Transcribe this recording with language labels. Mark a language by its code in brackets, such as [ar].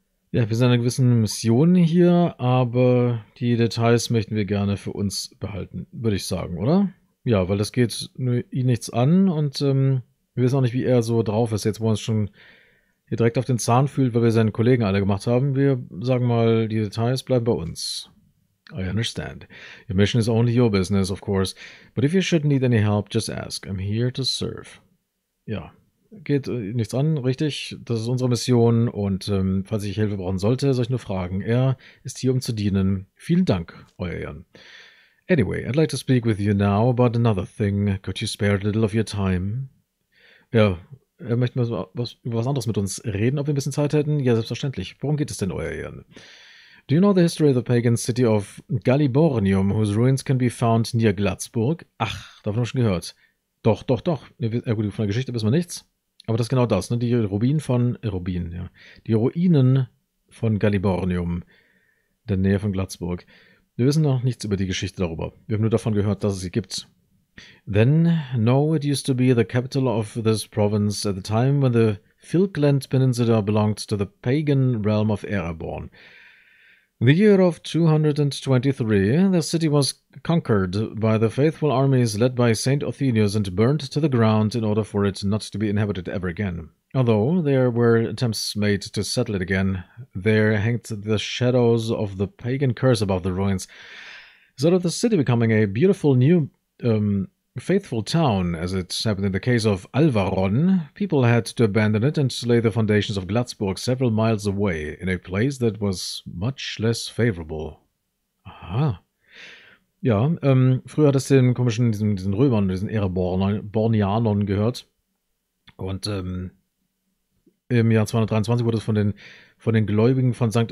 [de] Ja, wir sind in einer gewissen Mission hier, aber die Details möchten wir gerne für uns behalten, würde ich sagen, oder? Ja, weil das geht ihn nichts an und wir wissen auch nicht, wie er so drauf ist. Jetzt, wo er uns schon hier direkt auf den Zahn fühlt, weil wir seinen Kollegen alle gemacht haben. Wir sagen mal, die Details bleiben bei uns. [en] I understand. Your mission is only your business, of course. But if you should need any help, just ask. I'm here to serve. [de] Ja, geht nichts an, richtig. Das ist unsere Mission und falls ich Hilfe brauchen sollte, soll ich nur fragen. Er ist hier, um zu dienen. Vielen Dank, euer Ehren. [en] Anyway, I'd like to speak with you now about another thing. Could you spare a little of your time? [de] Ja, er möchte mal über was anderes mit uns reden, ob wir ein bisschen Zeit hätten. Ja, selbstverständlich. Worum geht es denn, euer Ehren? [en] Do you know the history of the pagan city of Galliborium, whose ruins can be found near Glatzburg? [de] Ach, davon haben wir schon gehört. Doch, doch, doch. Ja, gut, von der Geschichte wissen wir nichts. Aber das ist genau das, ne? Die Ruinen von Die Ruinen von Galliborium in der Nähe von Glatzburg. Wir wissen noch nichts über die Geschichte darüber. Wir haben nur davon gehört, dass es sie gibt. [en] Then, no, it used to be the capital of this province at the time when the Filkland Peninsula belonged to the pagan realm of Erebor. In the year of 223, the city was conquered by the faithful armies led by Saint Othenius and burned to the ground in order for it not to be inhabited ever again. Although there were attempts made to settle it again, there hanged the shadows of the pagan curse above the ruins. Instead of the city becoming a beautiful new faithful town, as it happened in the case of Alvaron, people had to abandon it and lay the foundations of Glatzburg several miles away, in a place that was much less favorable. Aha. [de] Ja, früher hat es den komischen, diesen Römern, diesen Erebornianern gehört. Und Im Jahr 223 wurde es von den Gläubigen von St.